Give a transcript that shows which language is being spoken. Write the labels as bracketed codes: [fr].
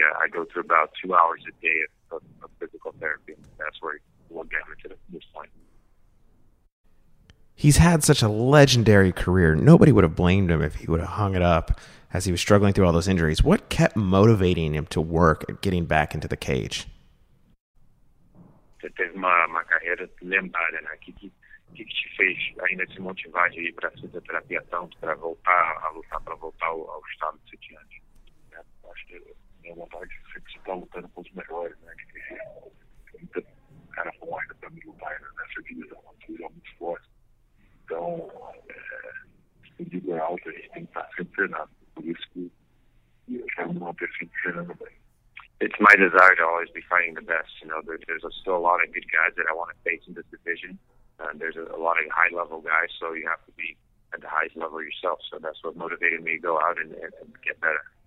[en] I go through about 2 hours a day of physical therapy, and that's where we'll get into this point. He's had such a legendary career. Nobody would have blamed him if he would have hung it up as he was struggling through all those injuries. What kept motivating him to work at getting back into the cage? [pt] Você teve uma carreira lendária, né? O que te fez ainda se motivar de ir para a fisioterapia tanto, para voltar a lutar, para voltar ao estado que você tinha antes? Acho que é uma vontade de você estar lutando com os melhores, né? Que muita cara foi ainda para me lutar nessa divisão, uma divisão muito forte. Então, se o nível é alto, a gente tem que estar sempre treinado. [en] It's my desire to always be fighting the best. You know, there's still a lot of good guys that I want to face in this division. And there's a lot of high level guys, so you have to be at the highest level yourself. So that's what motivated me to go out and get better.